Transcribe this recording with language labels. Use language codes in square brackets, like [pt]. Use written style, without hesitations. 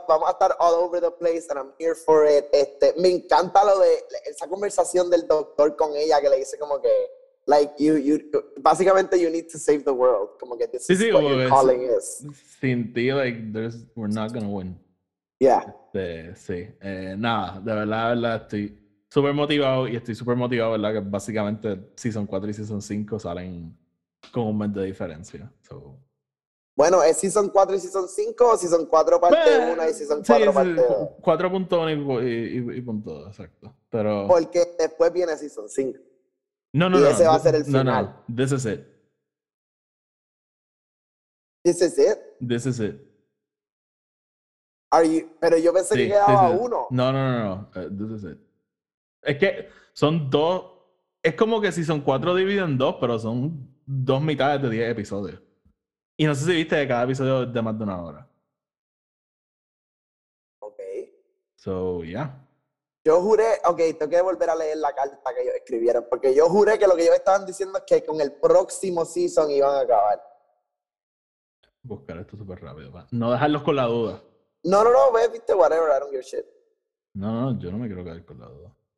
[es] Vamos a estar [en] all over the place and I'm here for it. [es] Me encanta lo de esa conversación del doctor con ella que le dice como que [en] like you [es] básicamente [en] you need to save the world, [es] como que [en] this is [es] sí, what your calling is. Sin ti, [en] like we're not going to win. Yeah. [es] Nada, de verdad, estoy súper motivado y estoy súper motivado, ¿verdad? Que básicamente Season 4 y Season 5 salen con un mes de diferencia. [en] So. [es] Bueno, ¿es Season 4 y Season 5 o Season 4 parte 1 y Season 4 sí, parte 2? 4.1 y punto 2, exacto. Pero... Porque después viene Season 5. No. Y ese va a ser el final. [en] No. This is it. This is it? This is it. Are you... [es] Pero yo pensé que quedaba 1. No. [en] This is it. [es] Es que son dos... Es como que si son 4 dividido en 2, pero son 2 mitades de 10 episodios. Y no sé si viste que cada episodio es de más de una hora. [en] Ok. So, yeah. [es] Yo juré... Ok, tengo que volver a leer la carta que ellos escribieron. Porque yo juré que lo que ellos estaban diciendo es que con el próximo season iban a acabar. Buscar esto súper rápido. Pa. No dejarlos con la duda. No, ve, viste, [en] whatever, I don't give a shit. [es] No, yo no me quiero quedar con la duda.